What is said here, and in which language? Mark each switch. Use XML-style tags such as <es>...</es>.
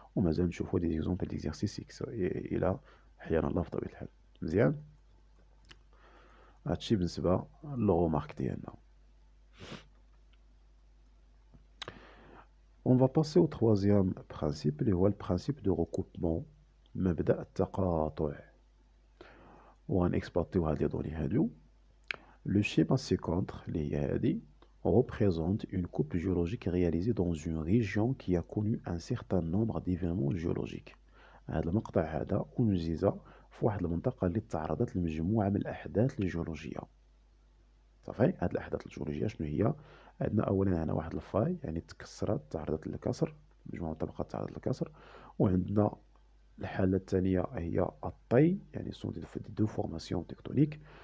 <ar>ومازال نشوفوا دي زيكزومبل ديكزيرسيس الى احيانا الله في طبيعه الحال. مزيان هادشي بالنسبه للرومارك ديالنا.</ar> <fr>On va passer au troisième principe, le principe de recoupement,</fr> <ar>مبدأ التقاطع.</ar> <fr>On exploite les données</fr> <ar>هادو.</ar> <fr>Le schéma ci-contre, les yadi, représente une coupe géologique réalisée dans une région qui a connu un certain nombre d'événements géologiques.</fr> <ar>هذا المقطع هذا أنجز في واحد المنطقة اللي تعرضت لمجموعة من الأحداث الجيولوجية. صافي، هاد الاحداث الجيولوجيه شنو هي؟ عندنا اولا هنا واحد الفاي، يعني تكسرت تعرضت للكسر، مجموعه من الطبقات تعرضت للكسر. وعندنا الحاله الثانيه هي الطي، يعني</ar> <fr>سون دي دو فورماسيون تكتونيك.</fr>